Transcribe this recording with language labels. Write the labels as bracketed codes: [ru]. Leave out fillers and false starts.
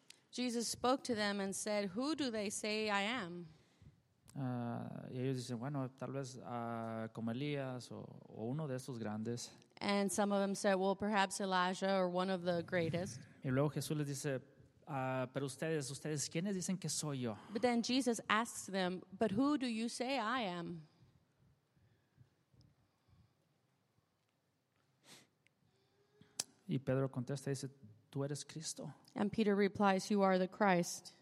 [en] Jesus spoke to them and said, "Who do they say I am?" [es] Y ellos dicen, bueno, tal vez como Elías o uno de esos grandes. [en] And some of them said, "Well, perhaps Elijah or one of the greatest." [es] Y luego Jesús les dice, pero ustedes, ¿quiénes dicen que soy yo? [en] But then Jesus asks them, "But who do you say I am?" [es] Y Pedro contesta y dice, "Tú eres Cristo." [en] And Peter replies, "You are the Christ,